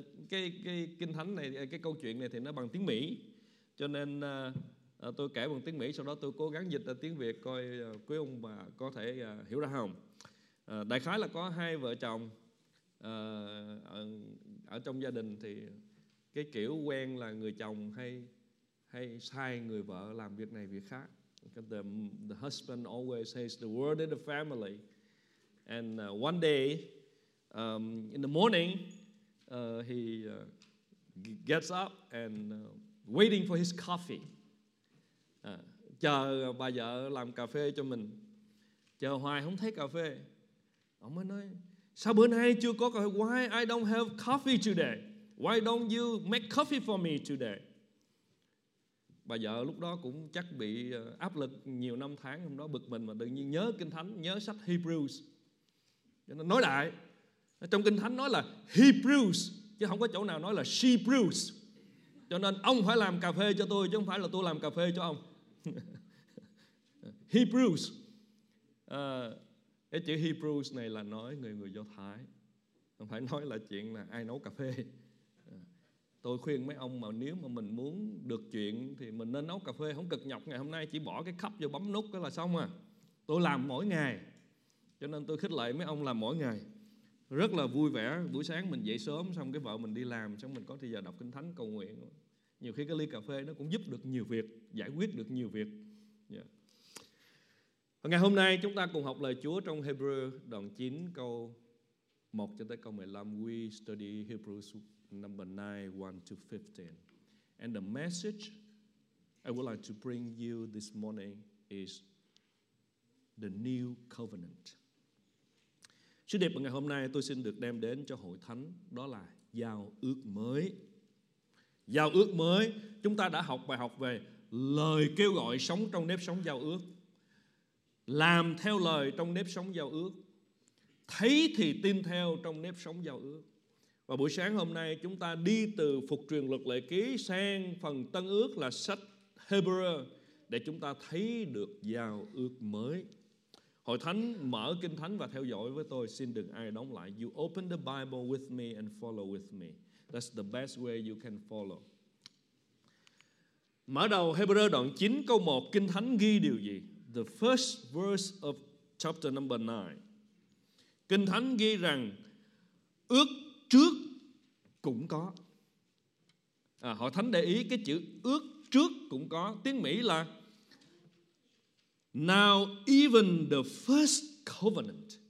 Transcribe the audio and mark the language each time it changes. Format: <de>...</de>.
<vi>Cái Kinh Thánh này, cái câu chuyện này thì nó bằng tiếng Mỹ, cho nên tôi kể bằng tiếng Mỹ, sau đó tôi cố gắng dịch ra tiếng Việt coi quý ông bà có thể hiểu ra không. Đại khái là có hai vợ chồng ở trong gia đình, thì cái kiểu quen là người chồng hay sai người vợ làm việc này việc khác.</vi> <en>The husband always says the word in the family. And one day in the morning he gets up and waiting for his coffee.</en> <vi>Chờ bà vợ làm cà phê cho mình. Chờ hoài không thấy cà phê. Ông mới nói, sao bữa nay chưa có cà phê?</vi> <en>Why I don't have coffee today? Why don't you make coffee for me today?</en> <vi>Bà vợ lúc đó cũng chắc bị áp lực nhiều năm tháng hôm đó, bực mình mà tự nhiên nhớ Kinh Thánh, nhớ sách Hebrews. Cho nên nói lại, trong Kinh Thánh nói là Hebrews, chứ không có chỗ nào nói là</vi> <en>she brews.</en> <vi>Cho nên ông phải làm cà phê cho tôi, chứ không phải là tôi làm cà phê cho ông. Hebrews. Cái chữ Hebrews này là nói người Do Thái, không phải nói là chuyện là ai nấu cà phê. Tôi khuyên mấy ông mà nếu mà mình muốn được chuyện thì mình nên nấu cà phê, không cực nhọc ngày hôm nay, chỉ bỏ cái cup vô bấm nút đó là xong à. Tôi làm mỗi ngày, cho nên tôi khích lệ mấy ông làm mỗi ngày. Rất là vui vẻ, buổi sáng mình dậy sớm, xong cái vợ mình đi làm, xong mình có thời gian đọc Kinh Thánh, cầu nguyện. Nhiều khi cái ly cà phê nó cũng giúp được nhiều việc, giải quyết được nhiều việc. Ngày hôm nay chúng ta cùng học lời Chúa trong Hebrew đoạn 9 câu 1 cho tới câu 15.</vi> <en>We study Hebrews number 9, 1 to 15. And the message I would like to bring you this morning is the new covenant.</en> <vi>Sứ điệp ngày hôm nay tôi xin được đem đến cho hội thánh đó là giao ước mới. Giao ước mới, chúng ta đã học bài học về lời kêu gọi sống trong nếp sống giao ước. Làm theo lời trong nếp sống giao ước. Thấy thì tin theo trong nếp sống giao ước. Và buổi sáng hôm nay chúng ta đi từ Phục Truyền Luật Lệ Ký sang phần Tân Ước là sách Hebrew để chúng ta thấy được giao ước mới. Hội thánh mở Kinh Thánh và theo dõi với tôi, xin đừng ai đóng lại.</vi> <en>You open the Bible with me and follow with me. That's the best way you can follow.</en> <vi>Mở đầu Hebrew đoạn 9 câu 1, Kinh Thánh ghi điều gì?</vi> <en>The first verse of chapter number 9.</en> <vi>Kinh Thánh ghi rằng ước trước cũng có. À, hội thánh để ý cái chữ ước trước cũng có, tiếng Mỹ là</vi> <en>now even the first covenant.</en>